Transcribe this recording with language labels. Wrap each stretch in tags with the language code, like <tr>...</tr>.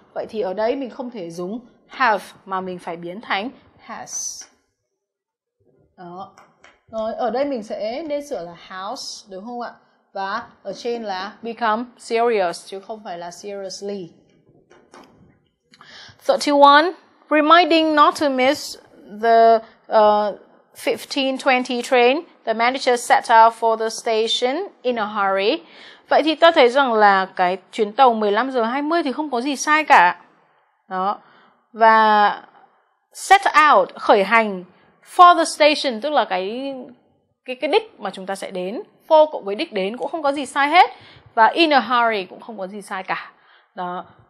<vi>Vậy thì ở đây mình không thể dùng have mà mình phải biến thành has. Đó. Rồi, ở đây mình sẽ nên sửa là house đúng không ạ? Và ở trên là</vi> <en>become serious</en> <vi>chứ không phải là seriously. 31.</vi> <en>Reminding not to miss the 15:20 train, the manager set out for the station in a hurry.</en> <vi>Vậy thì ta thấy rằng là cái chuyến tàu 15:20 thì không có gì sai cả. Đó. Và set out, khởi hành, for the station, tức là cái đích mà chúng ta sẽ đến. For cộng với đích đến cũng không có gì sai hết. Và in a hurry cũng không có gì sai cả. Đó.</vi>